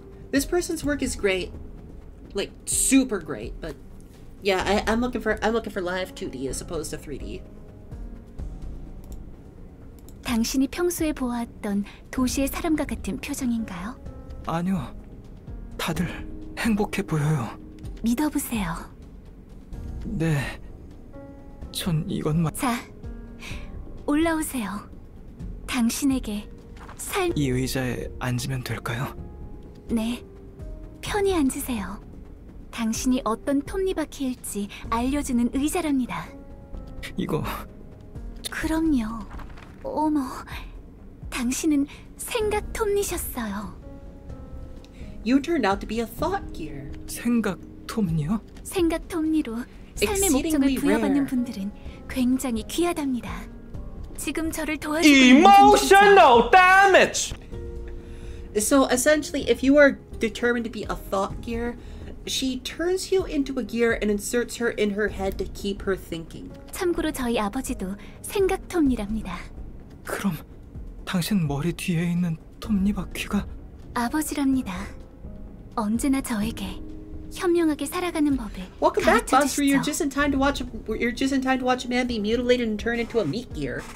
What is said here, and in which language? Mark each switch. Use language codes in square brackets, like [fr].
[en] This person's work is great, like super great, but yeah, I'm looking for live 2D as opposed to 3D. [ko] 당신이 평소에 보았던 도시의 사람과 같은 표정인가요? 아니요. 다들 행복해 보여요. 믿어보세요. 네. 전 이것만. 자, 올라오세요. 당신에게 살. 이 의자에 앉으면 될까요? 네. 편히 앉으세요. 당신이 어떤 톱니바퀴일지 알려주는 의자랍니다. 이거. 그럼요. 어머, 당신은 생각 톱니셨어요. [en] You turned out to be a thought gear. [ko] 생각 톱니요? 생각 톱니로 삶의 목적을 부여받는 분들은 굉장히 귀하답니다. 지금 저를 도와주고 있는 분들은. [en] So essentially, if you are determined to be a thought gear, she turns you into a gear and inserts her in her head to keep her thinking. [ko] 참고로 저희 아버지도 생각 톱니랍니다. 그럼 당신 머리 뒤에 있는 톱니바퀴가 아버지랍니다. 언제나 저에게 현명하게 살아가는 법을 가르쳐 주시죠. [en] Welcome back, Buster. You're just in time to watch a man be mutilated and turn into a meat gear.